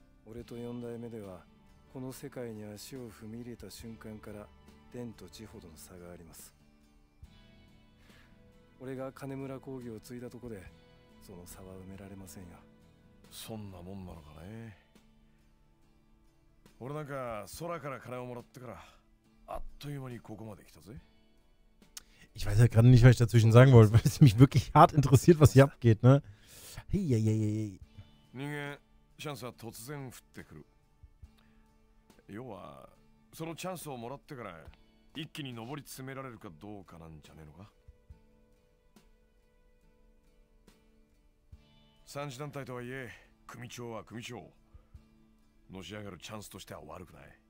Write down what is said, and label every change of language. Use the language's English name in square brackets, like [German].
[Japanese] 俺と四代目ではこの世界に足を踏み入れた瞬間から天と地ほどの差があります。俺が金村工業を継いだとこでその差は埋められませんよ。そんなもんなのかね。俺なんか空から金をもらってからあっという間にここまで来たぜ。 [German] Ich weiß ja gerade nicht, was ich dazwischen sagen wollte, weil es mich wirklich hart interessiert, was hier abgeht, ne? Hey, hey, hey, hey. [Japanese] 人間、チャンスは突然降ってくる。要は、そのチャンスをもらってから一気に上り詰められるかどうかなんじゃねえのか。三次団体とはいえ、組長は組長。のし上がるチャンスとしては悪くない。